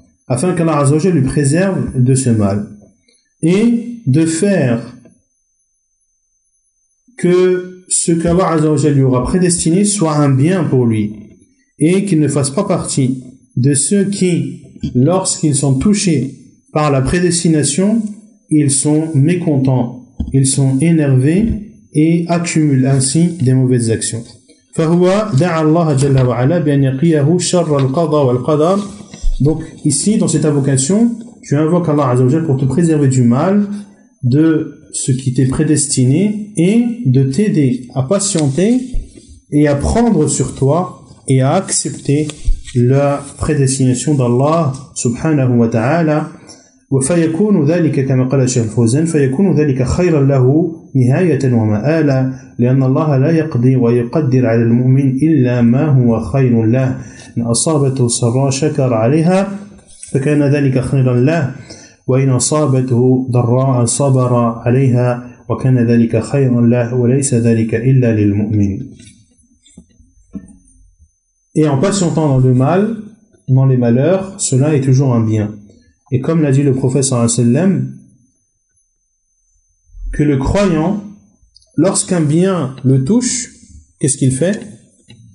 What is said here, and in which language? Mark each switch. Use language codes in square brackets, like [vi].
[fr] afin qu'Allah Azzawajal lui préserve de ce mal, et de faire que ce qu'Allah Azzawajal lui aura prédestiné soit un bien pour lui, et qu'il ne fasse pas partie de ceux qui, lorsqu'ils sont touchés par la prédestination, ils sont mécontents, ils sont énervés et accumulent ainsi des mauvaises actions. [ar] فهو دعا الله جل وعلا بأن يقيه شر القضاء والقدر. [fr] Donc ici dans cette invocation, tu invoques Allah Azza wa Jalla pour te préserver du mal, de ce qui t'est prédestiné, et de t'aider à patienter et à prendre sur toi et à accepter la prédestination d'Allah subhanahu wa ta'ala. [ar] وفيكون ذلك كما قال الشيخ الفوزان فيكون ذلك خيرا له نهاية ومآلا لأن الله لا يقضي ويقدر على المؤمن إلا ما هو خير له إن أصابته سراء شكر عليها فكان ذلك خيرا له وإن أصابته ضراء صبر عليها وكان ذلك خيرا له وليس ذلك إلا للمؤمن. [fr] Et en patientant dans le mal, dans les malheurs, cela est toujours un bien. Et comme l'a dit le prophète sallallahu alayhi wa sallam, que le croyant, lorsqu'un bien le touche, qu'est-ce qu'il fait ?